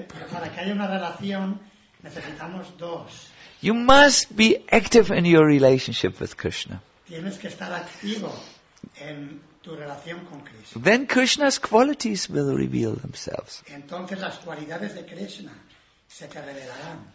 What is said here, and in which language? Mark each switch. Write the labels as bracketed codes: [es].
[es] Para que haya una relación necesitamos dos. [en] You must be active in your relationship with Krishna. [es] Tienes que estar activo en tu relación con Krishna. [en] Then Krishna's qualities will reveal themselves. [es] Entonces las cualidades de Krishna se te revelarán.